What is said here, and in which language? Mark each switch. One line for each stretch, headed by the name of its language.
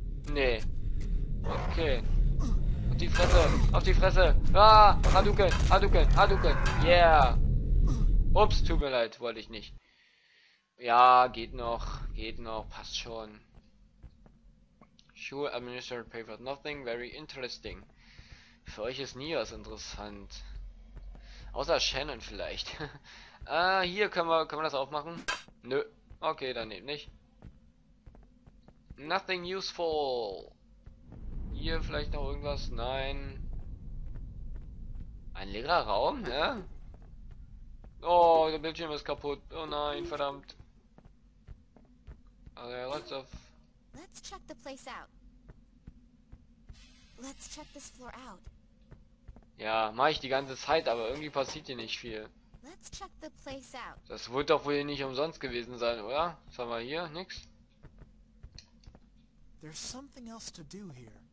German: Nee. Okay. Auf die Fresse! Auf die Fresse! Ah! Hadouken! Hadouken! Hadouken! Yeah! Ups, tut mir leid, wollte ich nicht. Ja, geht noch. Geht noch, passt schon.
English: Sure, administered paper, nothing very interesting.
German: Für euch ist nie was interessant. Außer Shannon vielleicht. hier können wir das aufmachen? Nö. Okay, dann eben nicht.
English: Nothing useful.
German: Hier vielleicht noch irgendwas? Nein. Ein leerer Raum, ja? Oh, der Bildschirm ist kaputt. Oh nein, verdammt.
English: Okay, lots of. Let's check the place out. Let's check this floor out.
German: Ja, mache ich die ganze Zeit, aber irgendwie passiert hier nicht viel.
English: Let's check the place out.
German: Das wird doch wohl nicht umsonst gewesen sein, oder? Was haben wir hier? Nix?
English: There's something else to do here.